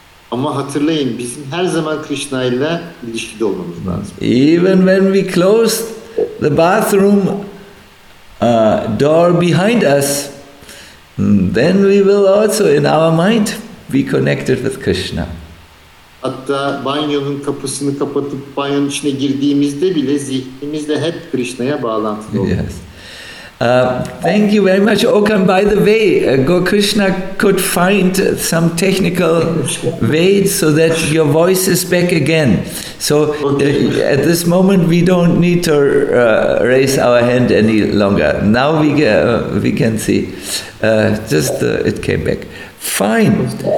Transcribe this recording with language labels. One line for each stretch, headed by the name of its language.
Turkish: Ama hatırlayın, bizim her zaman Krishna ile ilişkide olmamız lazım.
English: Even when we close the bathroom door behind us, then we will also in our mind be connected with Krishna.
Turkish: Hatta banyonun kapısını kapatıp banyonun içine girdiğimizde bile zihnimizle hep Krishna'ya bağlantılı oluyor.
English: Yes. Thank you very much. Oh, and by the way, Gokrishna could find some technical way so that your voice is back again. So at this moment we don't need to raise our hand any longer. Now we can see. It came back. Fine.